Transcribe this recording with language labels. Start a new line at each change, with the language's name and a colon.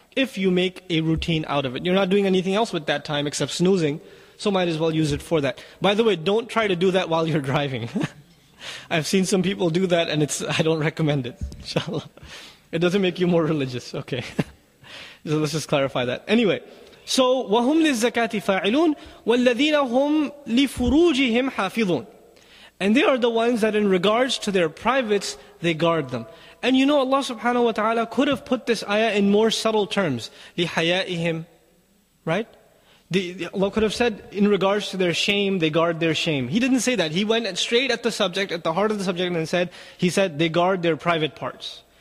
English: If you make a routine out of it. You're not doing anything else with that time except snoozing, so might as well use it for that. By the way, don't try to do that while you're driving. I've seen some people do that, and I don't recommend it, inshallah. It doesn't make you more religious, okay. So let's just clarify that. Anyway, so,
Arabic: وَهُمْ لِلزَّكَاةِ فَاعِلُونَ وَالَّذِينَ هُمْ لِفُرُوجِهِمْ حَافِظُونَ.
English: And they are the ones that in regards to their privates, they guard them. And you know, Allah subhanahu wa ta'ala could have put this ayah in more subtle terms.
Arabic: لِحَيَائِهِمْ.
English: Right? Allah could have said, in regards to their shame, they guard their shame. He didn't say that. He went straight at the subject, at the heart of the subject, and he said, they guard their private parts.